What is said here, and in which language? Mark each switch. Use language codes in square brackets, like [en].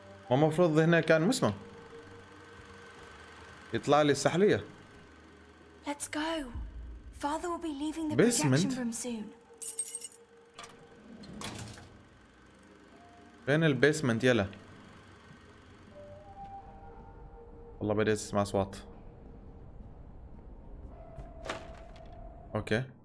[ar] ومفروض هنا كان مسمى يطلع لي السحلية [en] Let's go. Father will be leaving the projection room soon. [ar] فين البيسمنت يلا والله بدي اسمع اصوات اوكي